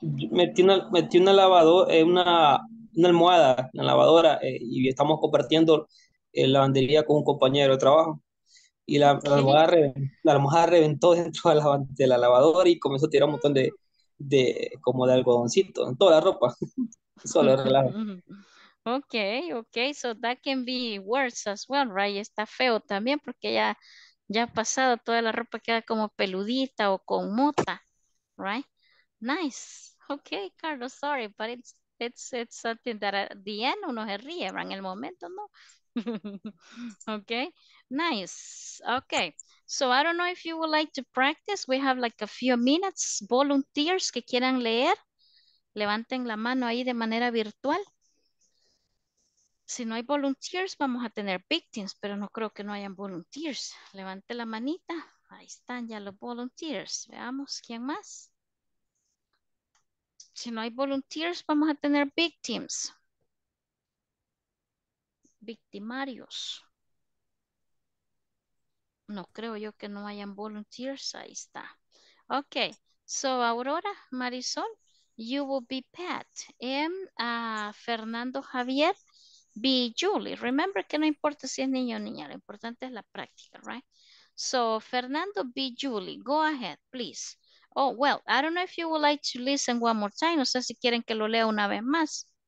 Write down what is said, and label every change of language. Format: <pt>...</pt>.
<es>Metí una lavadora, una almohada, una lavadora, y estamos compartiendo lavandería con un compañero de trabajo. Y la almohada reventó dentro de la lavadora y comenzó a tirar un montón de como de algodoncito en toda la ropa. Solo relajo.</es> <en>Okay, so that can be worse as well, right?</en> <es>Está feo también porque ya ha pasado, toda la ropa queda como peludita o con mota, right?</es> <en>Nice. Okay, Carlos, sorry, but it's something that at the end</en> <es>uno se ríe, en el momento no.</es> <en>Okay, nice. Okay, so I don't know if you would like to practice. We have like a few minutes.</en> <es>Volunteers que quieran leer, levanten la mano ahí de manera virtual. Si no hay volunteers, vamos a tener victims, pero no creo que no hayan volunteers. Levante la manita. Ahí están ya los volunteers. Veamos quién más. Si no hay volunteers, vamos a tener victims. Victimarios. No creo yo que no hayan volunteers. Ahí está. Okay.</es> <en>So, Aurora, Marisol, you will be Pat. Fernando Javier, be Julie.</en> <es>Remember que no importa si es niño o niña, lo importante es la práctica, right?</es> <en>So, Fernando, be Julie. Go ahead, please. Oh, well, I don't know if you would like to listen one more time.</en> <es>No sé si quieren que lo lea una vez más.</es>